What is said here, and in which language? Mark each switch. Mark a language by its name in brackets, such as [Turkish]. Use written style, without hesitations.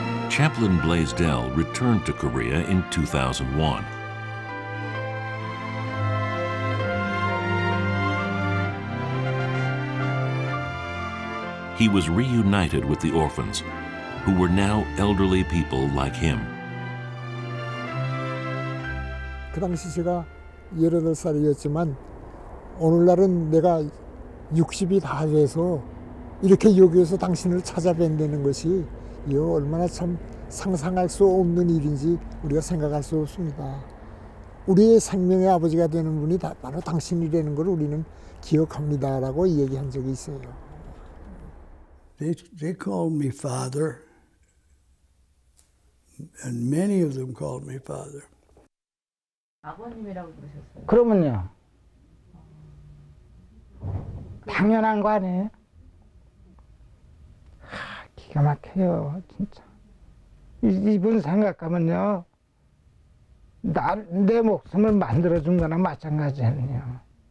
[English] Chaplain Blaisdell returned to Korea in 2001. He was reunited with the orphans, who were now elderly people like him. [Korean] 그 당시 제가 18살이었지만 오늘날은 내가 60이 다 돼서 이렇게 여기에서 당신을 찾아뵌다는 것이 얼마나 참 상상할 수 없는 일인지 우리가 생각할 수 없습니다. 우리의 생명의 아버지가 되는 분이 바로 당신이라는 걸 우리는 기억합니다라고 얘기한 적이 있어요. [English] They called me father, and many of them called me father. [Korean] 아버님이라고 그러셨어요? 그러면요. 당연한 거 아니에요? 하, 기가 막혀요, 진짜. 이분 생각하면요. 내 목숨을 만들어준 거나 마찬가지예요.